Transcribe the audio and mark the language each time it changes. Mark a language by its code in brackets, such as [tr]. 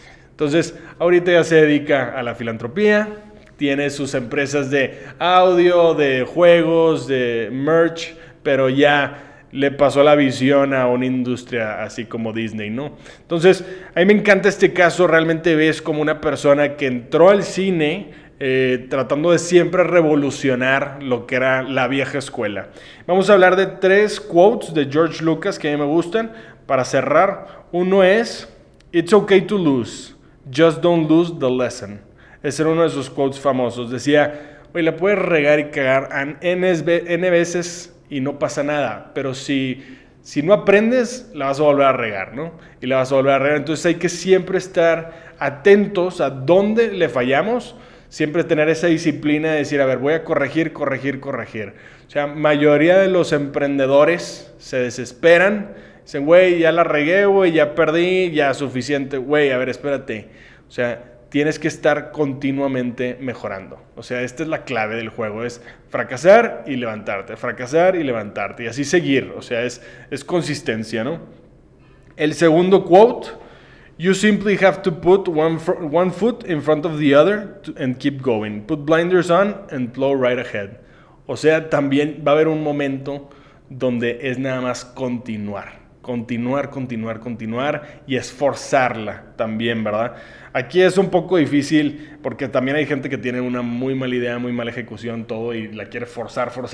[es] Entonces, ahorita ya se dedica a la filantropía, tiene sus empresas de audio, de juegos, de merch, pero ya le pasó la visión a una industria así como Disney, ¿no? Entonces, a mí me encanta este caso. Realmente ves como una persona que entró al cine tratando de siempre revolucionar lo que era la vieja escuela. Vamos a hablar de 3 quotes de George Lucas que a mí me gustan para cerrar. Uno es, [en] it's okay to lose, just don't lose the lesson. [es] Ese era uno de sus quotes famosos. Decía, oye, la puedes regar y cagar N veces y no pasa nada, pero si no aprendes, la vas a volver a regar, ¿no? Y la vas a volver a regar. Entonces hay que siempre estar atentos a dónde le fallamos, siempre tener esa disciplina de decir, a ver, voy a corregir. O sea, mayoría de los emprendedores se desesperan, dicen, güey, ya la regué, güey, ya perdí, ya suficiente, güey, a ver, espérate. O sea, tienes que estar continuamente mejorando. O sea, esta es la clave del juego, es fracasar y levantarte, y así seguir. O sea, es consistencia, ¿no? El segundo quote, [en] you simply have to put one foot in front of the other and keep going. Put blinders on and plow right ahead. [es] O sea, también va a haber un momento donde es nada más continuar. continuar y esforzarla también, ¿verdad? Aquí es un poco difícil porque también hay gente que tiene una muy mala idea, muy mala ejecución, todo, y la quiere forzar.